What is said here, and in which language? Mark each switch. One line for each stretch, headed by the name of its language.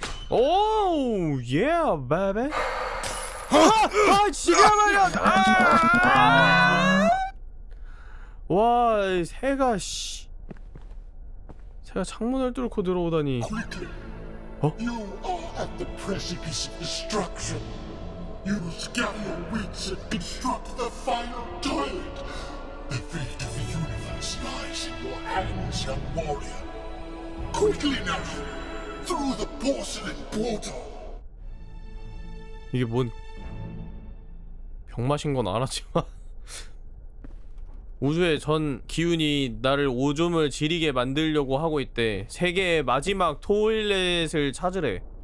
Korean: 오 예아 베베. 아 지가 말려. 아! 와 새가 씨. 새가 창문을 뚫고 들어오다니. 어?
English: You are at the precipice of destruction. Use gather wits and construct the final toilet. The fate of the universe lies in your hands, young warrior. Quickly now, through the porcelain portal.
Korean: 이게 뭔 병 마신 건 알았지만 우주의 전 기운이 나를 오줌을 지리게 만들려고 하고 있대. 세계의 마지막 토일렛을 찾으래.